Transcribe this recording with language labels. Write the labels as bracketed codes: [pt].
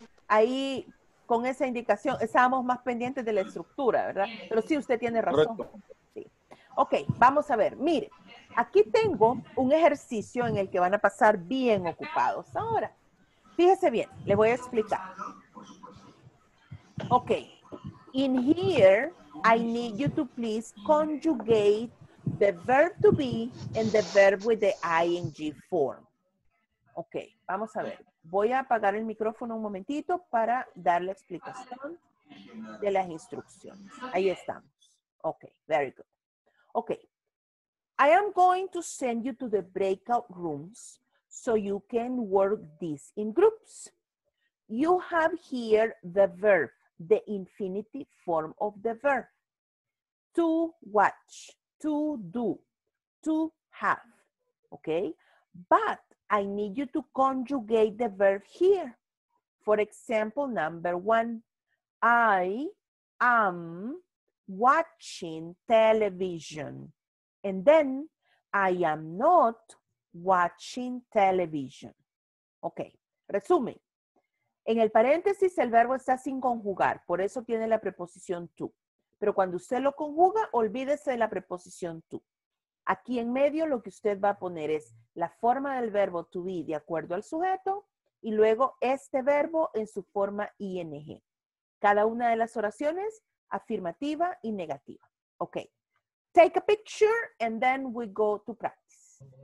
[es] Ahí, con esa indicación, estábamos más pendientes de la estructura, ¿verdad? Pero sí, usted tiene razón. Sí. Ok, vamos a ver. Mire, aquí tengo un ejercicio en el que van a pasar bien ocupados. Ahora, fíjese bien, le voy a explicar. [en] Ok, in here, I need you to please conjugate the verb to be and the verb with the ing form. [es] Ok, vamos a ver. Voy a apagar el micrófono un momentito para dar la explicación de las instrucciones. Ahí estamos. [en] Ok, very good. Ok. I am going to send you to the breakout rooms so you can work this in groups. You have here the verb, the infinitive form of the verb. To watch, to do, to have. Ok. But I need you to conjugate the verb here. For example, number one, I am watching television. And then I am not watching television. [es] Okay, resumen. En el paréntesis, el verbo está sin conjugar. Por eso tiene la preposición to. Pero cuando usted lo conjuga, olvídese de la preposición to. Aquí en medio lo que usted va a poner es la forma del verbo to be de acuerdo al sujeto y luego este verbo en su forma ing. Cada una de las oraciones, afirmativa y negativa. Ok. [en] Take a picture and then we go to practice.